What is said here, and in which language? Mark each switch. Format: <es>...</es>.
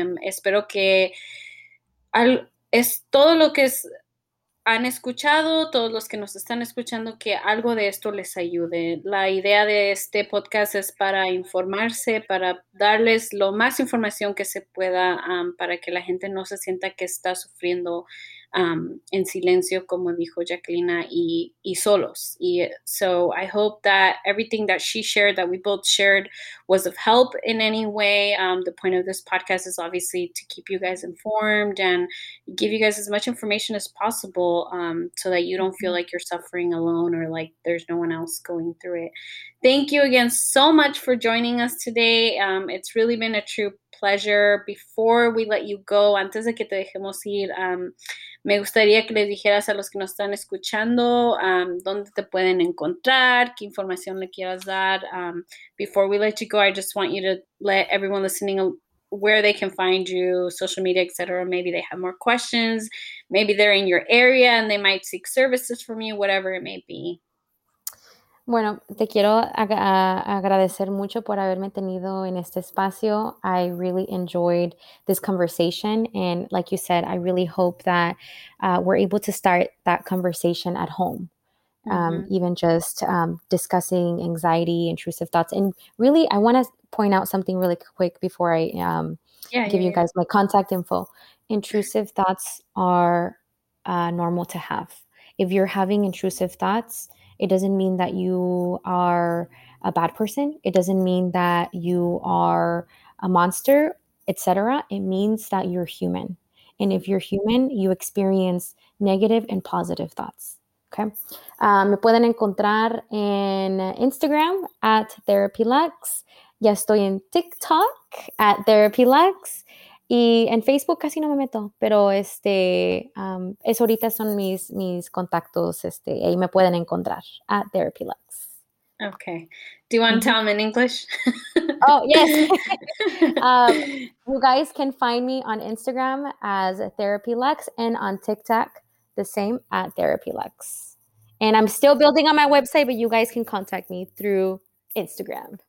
<es>Espero que todo lo que han escuchado, todos los que nos están escuchando, que algo de esto les ayude. La idea de este podcast es para informarse, para darles lo más información que se pueda, para que la gente no se sienta que está sufriendo en silencio, como dijo Jacqueline, y solos.</es> <en>Y so I hope that everything that she shared, that we both shared, was of help in any way. The point of this podcast is obviously to keep you guys informed and give you guys as much information as possible, so that you don't feel like you're suffering alone or like there's no one else going through it. Thank you again so much for joining us today. It's really been a true pleasure. Before we let you go,</en> <es>antes de que te dejemos ir, me gustaría que les dijeras a los que nos están escuchando, dónde te pueden encontrar, qué información le quieras dar.</es> <en>Before we let you go, I just want you to let everyone listening where they can find you, social media, etc. Maybe they have more questions. Maybe they're in your area and they might seek services from you, whatever it may be.</en> <es>Bueno, te quiero agradecer mucho por haberme tenido en este espacio.</es> <en>I really enjoyed this conversation. And like you said, I really hope that we're able to start that conversation at home, even just discussing anxiety, intrusive thoughts. And really, I want to point out something really quick before I give you guys my contact info. Intrusive thoughts are normal to have. If you're having intrusive thoughts, it doesn't mean that you are a bad person. It doesn't mean that you are a monster, etc. It means that you're human. And if you're human, you experience negative and positive thoughts.</en> <es>Okay. Me pueden encontrar en Instagram at TherapyLux. Ya estoy en TikTok at TherapyLux. Y en Facebook casi no me meto, pero es ahorita son mis contactos, ahí me pueden encontrar, at TherapyLux.</es> <en>Okay. Do you want to tell them in English? Oh, yes. you guys can find me on Instagram as TherapyLux and on TikTok the same, at TherapyLux. And I'm still building on my website, but you guys can contact me through Instagram.</en>